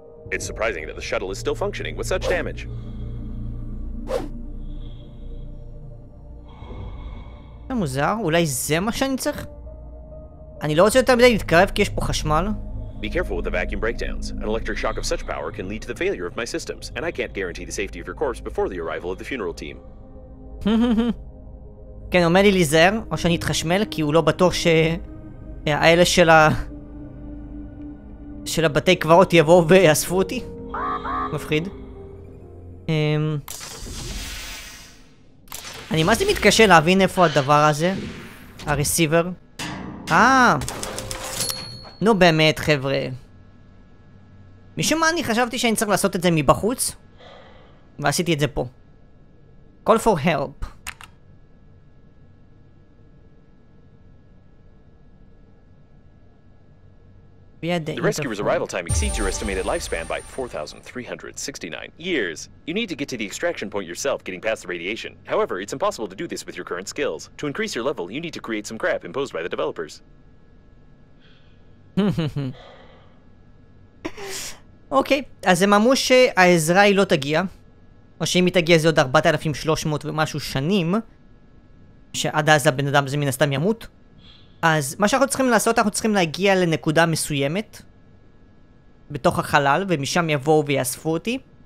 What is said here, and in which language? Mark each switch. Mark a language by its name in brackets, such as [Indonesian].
[English] It's surprising that the shuttle is still functioning with such damage. [Hebrew] זה מוזר, אולי זה מה שאני צריך? אני לא רוצה יותר מדי להתקרב כי יש פה חשמל. [English] Be careful with the vacuum breakdowns. An electric shock of such power can lead to the failure of my systems, and I can't guarantee the safety of your corpse before the arrival of the funeral team. [Hebrew] כן, אומר לי להיזהר, או שאני אתחשמל, כי הוא לא בטוח ש... האלה של ה... של הבתי קברות יבואו ויאספו אותי. מפחיד. אני מה זה מתקשה להבין איפה הדבר הזה? הרסיבר? נו באמת חבר'ה. משום מה אני חשבתי שאני צריך לעשות את זה מבחוץ, ועשיתי את זה פה. [English] Call for help. The rescuer's arrival time exceeds your estimated lifespan by 4,369 years. You need to get to the extraction point yourself, getting past the radiation. However, it's impossible to do this with your current skills. To increase your level, you need to create some crap imposed by the developers. [Hebrew] אוקיי, אז הם אמרו שהעזרה היא לא תגיע, או שאם היא תגיע זה עוד 4,300 ומשהו שנים, שעד אז הבן אדם זה מן הסתם ימות. אז מה שאנחנו צריכים לעשות, אנחנו צריכים להגיע לנקודה מסוימת בתוך החלל, ומשם יבואו ויאספו אותי.